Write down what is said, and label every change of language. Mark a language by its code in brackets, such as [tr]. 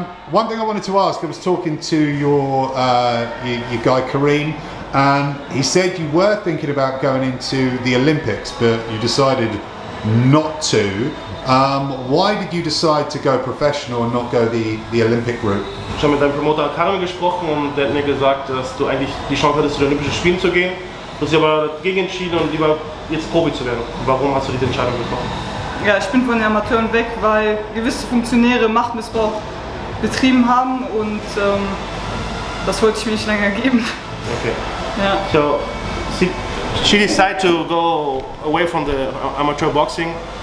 [en] One thing I wanted to ask, I was talking to your guy Kareem, and he said you were thinking about going into the Olympics, but you decided not to. Why did you decide to go professional and not go the Olympic route? [de] Ich habe mit deinem Promoter Karim gesprochen und der hat mir gesagt, dass du eigentlich die Chance hattest, zu den Olympischen Spielen zu gehen. Du hast dich aber dagegen entschieden und lieber jetzt Profi zu werden. Warum hast du diese Entscheidung getroffen? Ja, ich bin von den Amateuren weg, weil gewisse Funktionäre Machtmissbrauch betrieben haben und das wollte ich mir nicht länger geben. Okay. Ja. [en] So, she decided to go away from the amateur boxing.